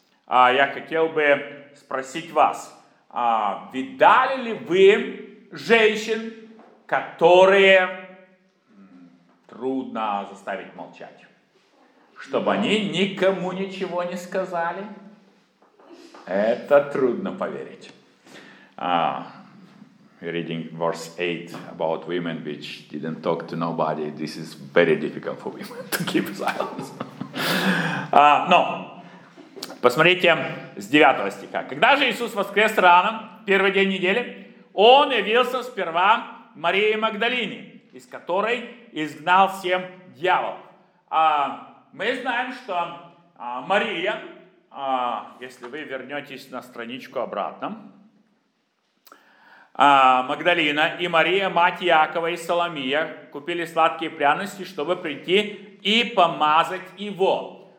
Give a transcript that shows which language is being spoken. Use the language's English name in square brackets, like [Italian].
[Russian] Я хотел бы спросить вас, видали ли вы женщин, которые трудно заставить молчать, чтобы они никому ничего не сказали? Это трудно поверить. [English] Reading verse 8 about women which didn't talk to nobody. This is very difficult for women to keep silence. [Russian] Но, посмотрите с 9 стиха. «Когда же Иисус воскрес рано, первый день недели, Он явился сперва Марии Магдалине, из которой изгнал 7 дьяволов». Мы знаем, что Мария, если вы вернетесь на страничку обратно, Магдалина и Мария, мать Иакова и Соломия, купили сладкие пряности, чтобы прийти и помазать его.